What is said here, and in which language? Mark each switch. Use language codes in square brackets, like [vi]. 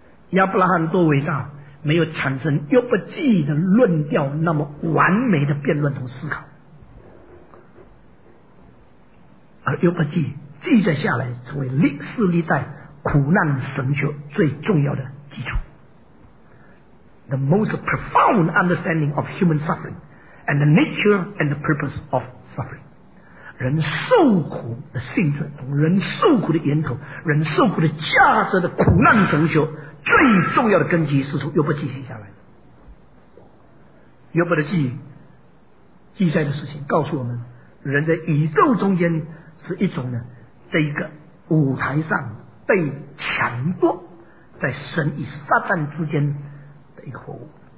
[zh] 亚伯拉罕多伟大，没有产生约伯记忆的论调那么完美的辩论和思考，而约伯记忆记载下来成为历史历代苦难神学最重要的基础。 [en] The most profound understanding of human suffering and the nature and the purpose of suffering. [zh] 人受苦的性质，人受苦的源头，人受苦的价值的苦难神学最重要的根基是从约伯记忆下来的。约伯的记忆记载的事情告诉我们，人在宇宙中间是一种呢，在一个舞台上被抢夺，在神与撒旦之间一个活物。